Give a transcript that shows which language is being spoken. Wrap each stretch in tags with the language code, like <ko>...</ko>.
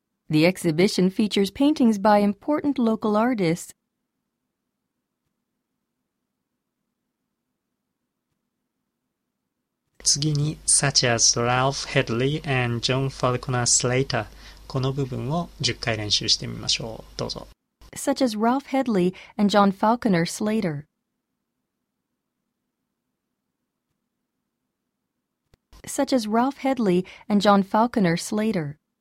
<en>The exhibition features paintings by important local artists. Such as Ralph Hedley and John Falconer Slater.</en> <ja>この部分を10回練習してみましょう。どうぞ。</ja> <en>Such as Ralph Hedley and John Falconer Slater. Such as Ralph Hedley and John Falconer Slater.</en>